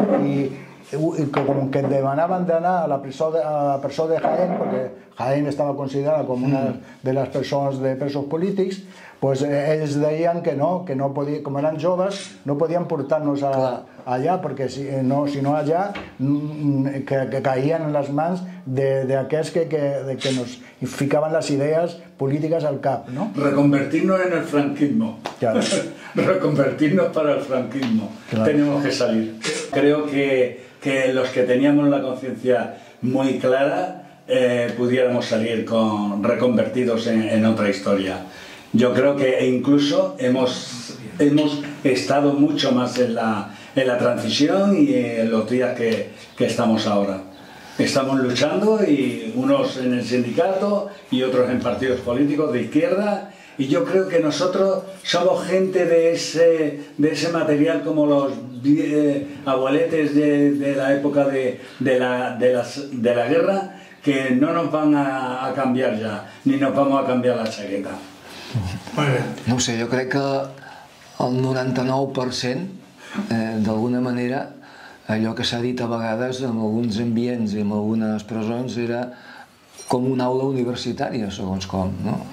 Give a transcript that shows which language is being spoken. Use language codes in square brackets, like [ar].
[ca] I com que demanaven d'anar a la presó de Jaén, perquè Jaén estava considerada com una de les persones de presos polítics, pues ells deien que no podien, com eren joves, no podien portar-nos allà, perquè si no allà, que caïen en les mans d'aquests que nos ficaven les idees polítiques al cap, no? Reconvertir-nos en el franquismo. [es] Claro. Reconvertir-nos para el franquismo. Claro. Tenemos que salir. Creo que los que teníamos la conciencia muy clara pudiéramos salir reconvertidos en otra historia. Yo creo que incluso hemos estado mucho más en la transición y en los días que estamos ahora. Estamos luchando, y unos en el sindicato y otros en partidos políticos de izquierda, y yo creo que nosotros somos gente de ese material, como los abueletes de la época de la guerra, que no nos van a cambiar ya, ni nos vamos a cambiar la chaqueta. [ca] No ho sé, jo crec que el 99% d'alguna manera, allò que s'ha dit a vegades en alguns ambients i en algunes presons era com una aula universitària, segons com, no?